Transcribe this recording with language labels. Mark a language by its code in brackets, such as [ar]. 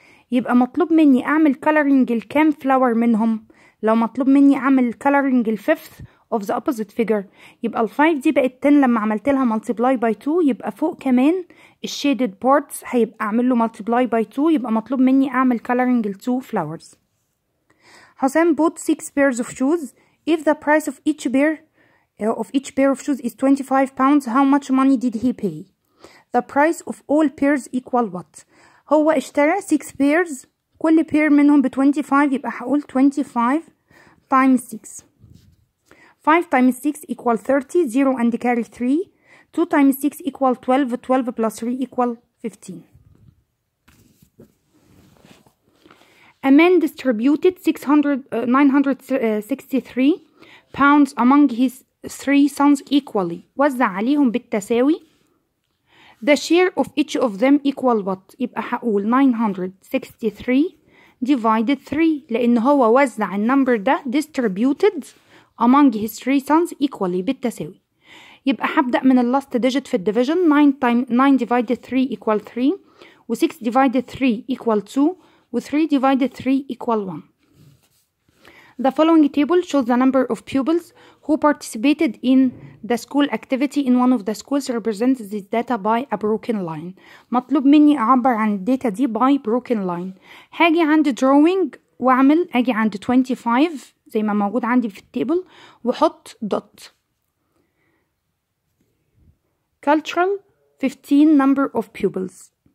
[ar] يبقى مطلوب مني اعمل coloring لكام flower منهم؟ لو مطلوب مني اعمل coloring ال5th of the opposite figure يبقى ال5 دي بقت 10 لما عملت لها multiply by 2. يبقى فوق كمان الشيدد بارتس هيبقى اعمل له multiply by 2. يبقى مطلوب مني اعمل coloring ال2 flowers. [en] حسام bought 6 pairs of shoes. If the price of each pair of each pair of shoes is 25 pounds. How much money did he pay? The price of all pairs equal what? [ar] هو اشترى 6 pairs. كل pair منهم ب 25 يبقى هقول 25 times 6. [en] 5 times 6 equal 30. 0 and carry 3. 2 times 6 equal 12. 12 plus 3 equal 15. A man distributed 963 pounds among his three sons equally. [ar] وزع عليهم بالتساوي. [en] The share of each of them equal what? [ar] يبقى هقول 963 divided 3. لأن هو وزع النمبر ده [en] distributed among his three sons equally [ar] بالتساوي. يبقى هبدأ من اللاست ديجيت في الديفيجن. [en] 9 divided 3 equal 3 و 6 divided 3 equal 2 و 3 divided 3 equal 1. The following table shows the number of pupils who participated in the school activity in one of the schools represents this data by a broken line. [ar] مطلوب مني أعبر عن الداتا دي [en] by broken line. [ar] هاجي عند drawing وأعمل أجي عند 25 زي ما موجود عندي في التيبل وحط dot. [en] Cultural 15 number of pupils.